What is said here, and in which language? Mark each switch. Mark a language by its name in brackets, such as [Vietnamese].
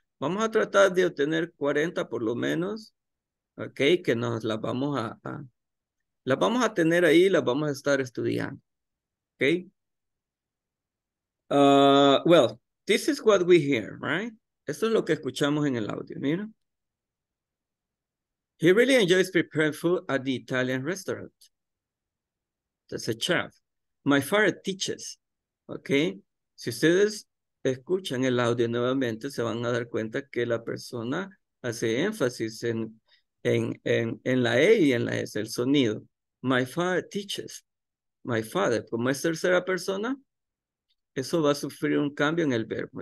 [Spanish] Vamos a tratar de obtener 40 por lo menos, ok, que nos las vamos a las vamos a tener ahí, las vamos a estar estudiando, ok. [English] Well, this is what we hear, right? [Spanish] Esto es lo que escuchamos en el audio, mira. [English] He really enjoys preparing food at the Italian restaurant. That's a chef. My father teaches, ok. [Spanish] Si ustedes escuchan el audio nuevamente, se van a dar cuenta que la persona hace énfasis en la E y en la S, el sonido. [English] My father teaches. My father, [Spanish] como es tercera persona, eso va a sufrir un cambio en el verbo.